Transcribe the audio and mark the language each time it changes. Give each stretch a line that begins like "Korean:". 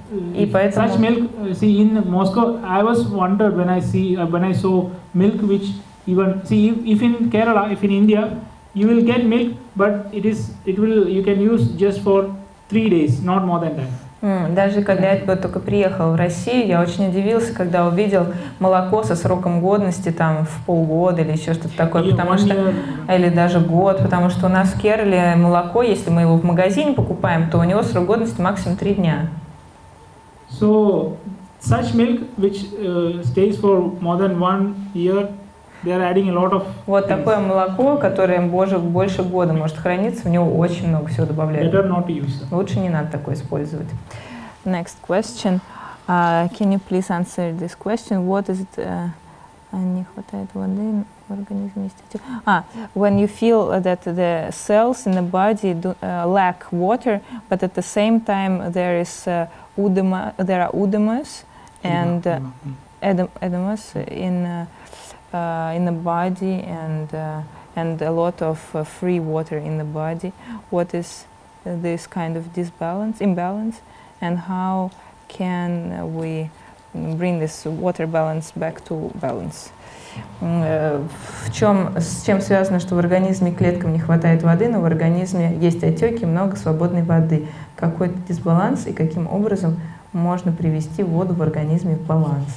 Russian: И поэтому
English: such milk, see in Moscow, I was wondered when I see when I saw milk which even see if in Kerala, if in India, you will get milk, but it is it will you can use just for 3 days, not more than that.
Russian: Даже когда я только приехал в Россию, я очень удивился, когда увидел молоко со сроком годности там в полгода или еще что-то такое, потому что или даже год, потому что у нас в Керале молоко, если мы его в магазине покупаем, то у него срок годности максимум 3 дня.
English: So such milk which stays for more than 1 year, they are adding a lot of.
Russian: Вот такое молоко, которое больше года может храниться, в него очень много всего добавляют.
English: Better not to use.
Russian: Лучше не надо такое использовать.
English: Next question. Can you please answer this question? What is it?
Russian: Не хватает воды в организме.
English: When you feel that the cells in the body do, lack water, but at the same time there is there are udomas and edemas in the body and a lot of free water in the body. What is this kind of imbalance, and how can we bring this water balance back to balance?
Russian: С чем связано, что в организме клеткам не хватает воды, но в организме есть отеки, много свободной воды. Какой дисбаланс и каким образом можно привести воду в организме в баланс?